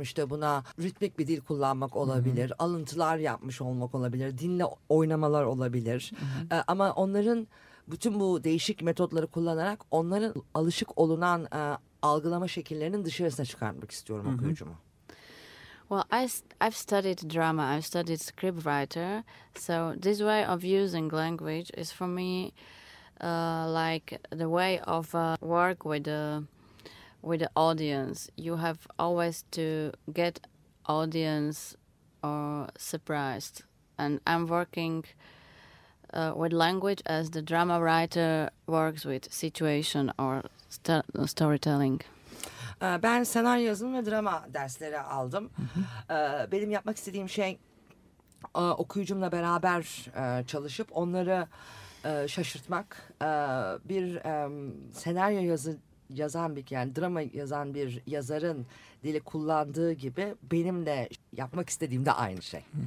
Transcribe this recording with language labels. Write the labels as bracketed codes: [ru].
[tr] İşte buna ritmik bir dil kullanmak olabilir, mm-hmm. alıntılar yapmış olmak olabilir, dinle oynamalar olabilir. Mm-hmm. Ama onların bütün bu değişik metotları kullanarak onların alışık olunan algılama şekillerinin dışarısına çıkarmak istiyorum mm-hmm. okuyucumu. [en] Well, I've studied drama, I've studied script writer. So this way of using language is for me... like the way of work with the audience, you have always to get audience or surprised. And I'm working with language as the drama writer works with situation or storytelling. [tr] Ben senaryo yazım ve drama dersleri aldım. Benim yapmak istediğim şey okuyucumla beraber çalışıp onları şaşırtmak. Bir senaryo yazan bir, yani drama yazan bir yazarın dili kullandığı gibi benim de yapmak istediğim de aynı şey.